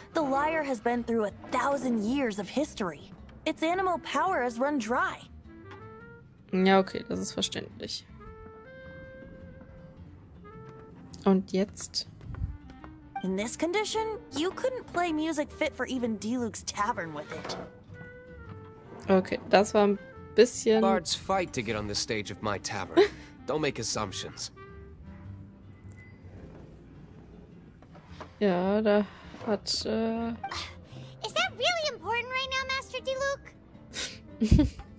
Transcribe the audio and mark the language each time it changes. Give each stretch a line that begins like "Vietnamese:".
English: the liar has been through a thousand years of history. Its animal power has run dry.
German: Ja, okay, das ist verständlich. Und jetzt?
English: In this condition, you couldn't play music fit for even Diluc's tavern with it.
German: Okay, das war ein bisschen.
English: Bards fight to get on the stage of my tavern. Don't make assumptions.
German: Ja, da hat.
English: Is that really important right now, Master Diluc?